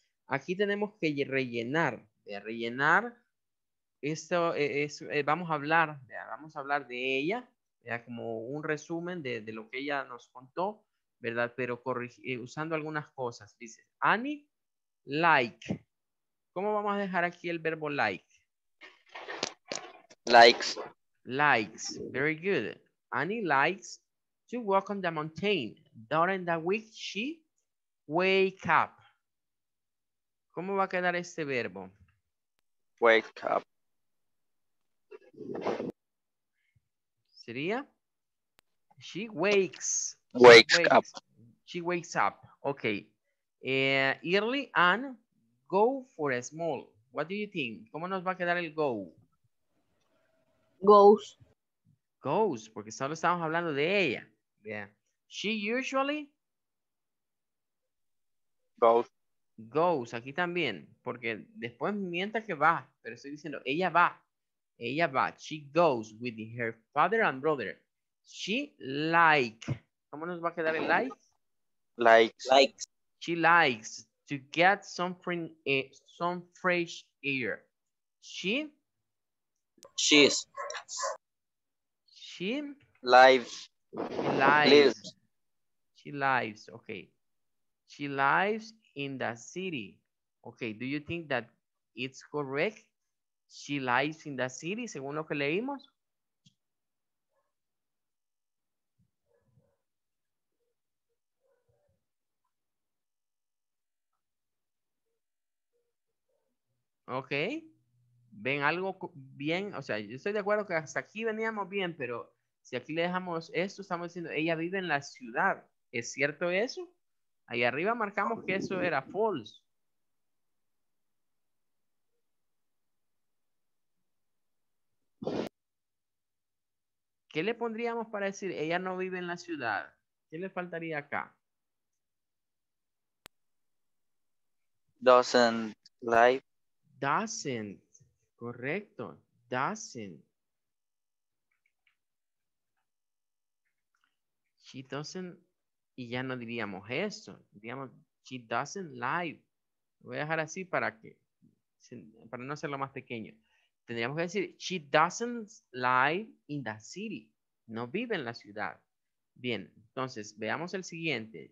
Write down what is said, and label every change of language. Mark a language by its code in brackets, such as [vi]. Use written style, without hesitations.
[es] Aquí tenemos que rellenar, ¿verdad? Rellenar, esto es, vamos a hablar, ¿verdad? Vamos a hablar de ella, ¿verdad? Como un resumen de lo que ella nos contó, ¿verdad? Pero usando algunas cosas. Dice, Annie, like. ¿Cómo vamos a dejar aquí el verbo like? [en] Likes. Likes. Very good. Annie likes to walk on the mountain. During the week, she wake up. [es] ¿Cómo va a quedar este verbo? [en] Wake up. [es] Sería [en] she wakes. Wakes up. She wakes up. Okay. Early and go for a small. What do you think? [es] ¿Cómo nos va a quedar el go? [en] Goes. Go. [es] goes, porque solo estamos hablando de ella. [en] Yeah. She usually goes. [es] Goes, aquí también, porque después mientras que va, pero estoy diciendo, ella va, [en] she goes with her father and brother. She like, [es] ¿cómo nos va a quedar el like? [en] Likes. Likes. She likes to get some fresh air. She? She's. She? Lives. She lives. Lives. She lives, okay. She lives in the city. Okay, do you think that it's correct? She lives in the city, [es] según lo que leímos. Okay. ¿Ven algo bien? O sea, yo estoy de acuerdo que hasta aquí veníamos bien, pero si aquí le dejamos esto, estamos diciendo, ella vive en la ciudad. ¿Es cierto eso? Ahí arriba marcamos que eso era false. ¿Qué le pondríamos para decir ella no vive en la ciudad? ¿Qué le faltaría acá? [en] Doesn't live. Doesn't. [es] Correcto. [en] Doesn't. She doesn't. [es] Y ya no diríamos eso. Diríamos, [en] she doesn't live. [es] Lo voy a dejar así para que, para no hacerlo más pequeño. Tendríamos que decir, [en] she doesn't live in the city. [es] No vive en la ciudad. Bien, entonces, veamos el siguiente.